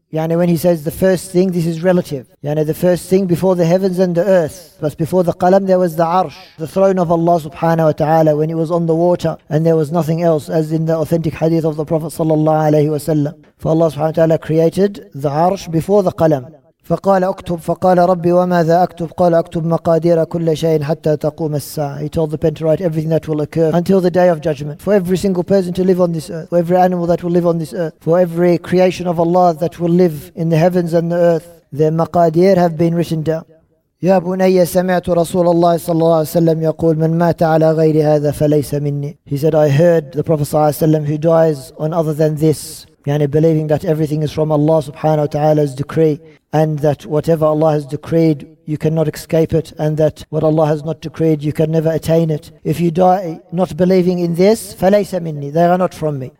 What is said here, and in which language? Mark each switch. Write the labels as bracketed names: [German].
[English] Yani when he says the first thing, this is relative. Yani the first thing before the heavens and the earth. But before the qalam, there was the arsh, the throne of Allah subhanahu wa ta'ala, when it was on the water and there was nothing else, as in the authentic hadith of the Prophet sallallahu alayhi wa sallam. For Allah subhanahu wa ta'ala created the arsh before the qalam. [Arabic] فقال اكتب فقال ربي وماذا اكتب قال اكتب مقادير كل شيء حتى تقوم الساعة. [English] He told the pen to write everything that will occur until the day of judgment, for every single person to live on this earth, for every animal that will live on this earth, for every creation of Allah that will live in the heavens and the earth. Their maqadir have been written down. [Arabic] يا بني سمعت رسول الله صلى الله عليه وسلم يقول من مات على غير هذا فليس مني. [English] He said, I heard the Prophet صلى الله عليه وسلم, who dies on other than this, yani believing that everything is from Allah subhanahu wa ta'ala's decree, and that whatever Allah has decreed, you cannot escape it, and that what Allah has not decreed, you can never attain it. If you die not believing in this, [Arabic] فَلَيْسَ مِنِّي, [English] they are not from me.